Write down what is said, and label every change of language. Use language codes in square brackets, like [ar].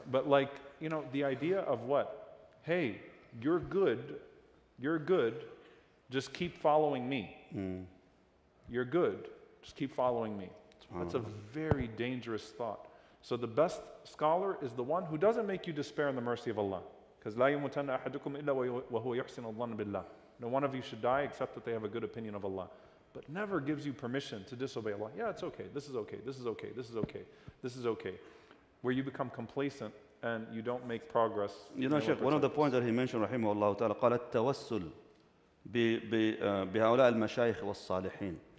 [en] But like, you know, the idea of what? Hey, you're good. You're good. Just keep following me. Mm. You're good. Just keep following me. That's a very dangerous thought. So the best scholar is the one who doesn't make you despair in the mercy of Allah. [ar] Because لا يموتن أحدكم إلا وهو يحسن الظن بالله. [en] No one of you should die except that they have a good opinion of Allah. But never gives you permission to disobey Allah. Yeah, it's okay. This is okay. This is okay. This is okay. This is okay. Where you become complacent and you don't make progress. You know, Sheikh, one of the points that he mentioned, rahimahullah ta'ala, قال التوسل بهؤلاء المشايخ والصالحين.